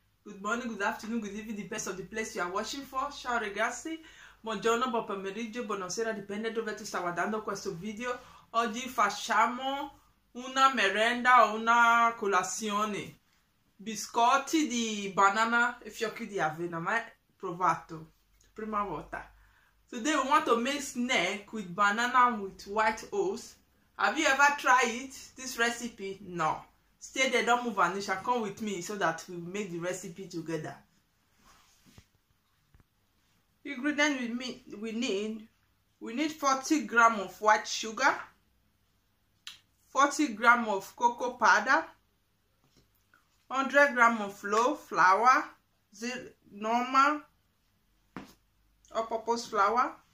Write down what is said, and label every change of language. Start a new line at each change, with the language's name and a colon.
English: Good morning, good afternoon, good evening, depends on the place you are watching for.
Italian: Ciao ragazzi, buongiorno, buon pomeriggio, buonasera, dipende dove tu stai guardando questo video. Oggi facciamo una merenda o una colazione. Biscotti di banana e fiocchi di avena, mai provato, prima volta.
English: Today we want to make snack with banana with white oats. Have you ever tried it, this recipe? No. Stay there, don't move, Anisha. Come with me so that we make the recipe together. Ingredient we need 40 grams of white sugar, 40 grams of cocoa powder, 100 grams of low flour, normal or purpose flour.